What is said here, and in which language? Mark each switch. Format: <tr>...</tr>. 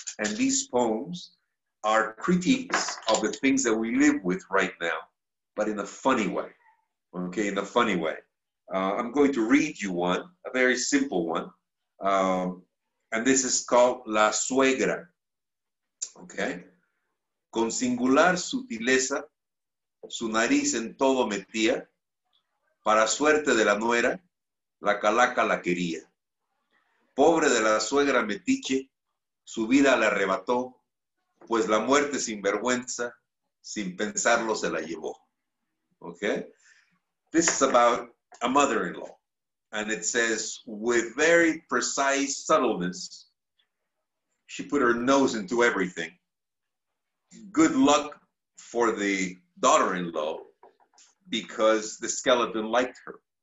<en>And these poems are critiques of the things that we live with right now, but in a funny way, okay, in a funny way. I'm going to read you one, a very simple one, and this is called La Suegra, okay?</en> <es>Con singular sutileza, su nariz en todo metía, para suerte de la nuera, la calaca la quería. Pobre de la suegra metiche, su vida la arrebató, pues la muerte sin vergüenza, sin pensarlo se la llevó.</es> <en>Okay, this is about a mother-in-law, and it says, with very precise subtleness, she put her nose into everything. Good luck for the daughter-in-law, because the skeleton liked her.</en>